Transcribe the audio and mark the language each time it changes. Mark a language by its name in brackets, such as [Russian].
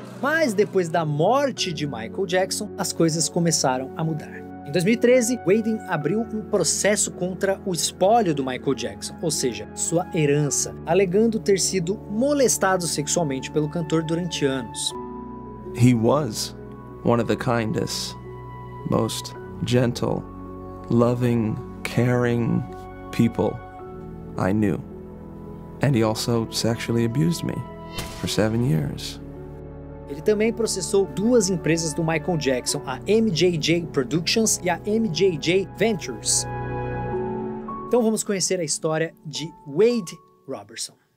[Portuguese] Mas depois da morte de Michael Jackson, as coisas começaram a mudar. Em 2013, Wade abriu um processo contra o espólio do Michael Jackson, ou seja, sua herança, alegando ter sido molestado sexualmente pelo cantor durante anos. [English] He was one of the kindest, most gentle, loving, caring people I knew. And he also sexually abused me for 7 years. [Portuguese] Ele também processou duas empresas do Michael Jackson, a MJJ Productions e a MJJ Ventures. Então vamos conhecer a história de Wade Robertson.